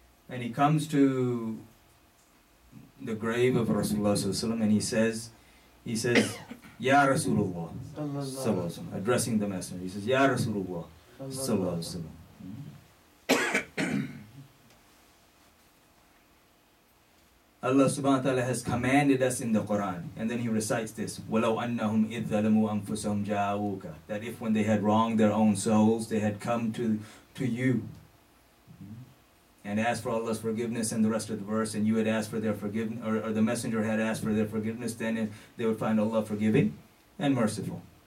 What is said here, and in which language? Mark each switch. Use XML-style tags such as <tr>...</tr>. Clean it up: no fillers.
<en>And he comes to the grave of Rasulullah and he says, Ya Rasulullah, addressing the messenger. He says, Ya Rasulullah, sallallahu alayhi wa sallam. Allah subhanahu wa ta'ala has commanded us in the Quran. And then he recites this,</en> <ar>وَلَوْ أَنَّهُمْ إِذْ ظَلَمُوا أَنفُسَهُمْ جَاءُوكَ.</ar> <en>That if when they had wronged their own souls, they had come to you and asked for Allah's forgiveness and the rest of the verse, and you had asked for their forgiveness, or the messenger had asked for their forgiveness, then they would find Allah forgiving and merciful.</en>